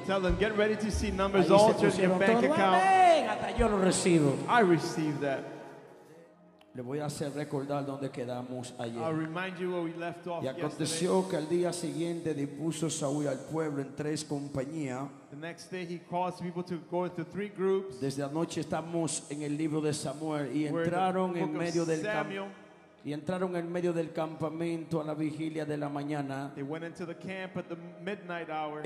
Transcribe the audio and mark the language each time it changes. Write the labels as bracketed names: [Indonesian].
[English] Tell them, get ready to see numbers altered in your bank account. [Spanish] Hasta yo lo recibo. [English] I receive that. [Spanish] Le voy a hacer recordar dónde quedamos ayer. [English] I'll remind you where we left off. [Spanish] Y aconteció que al día siguiente dispuso Saúl al pueblo en tres compañías. [English] The next day he caused people to go into three groups. [Spanish] Desde anoche estamos en el libro de Samuel y entraron en medio del campo. Y entraron en medio del campamento a la vigilia de la mañana. [English] They went into the camp at the midnight hour.